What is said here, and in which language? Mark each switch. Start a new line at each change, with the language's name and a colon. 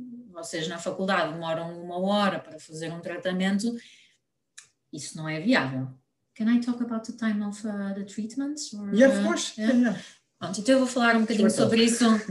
Portuguese: Vocês na faculdade demoram uma hora para fazer um tratamento, isso não é viável.
English: Can I talk about the time of the treatment? Yeah, of course. Yeah.
Portuguese: Então eu vou falar um bocadinho sobre isso.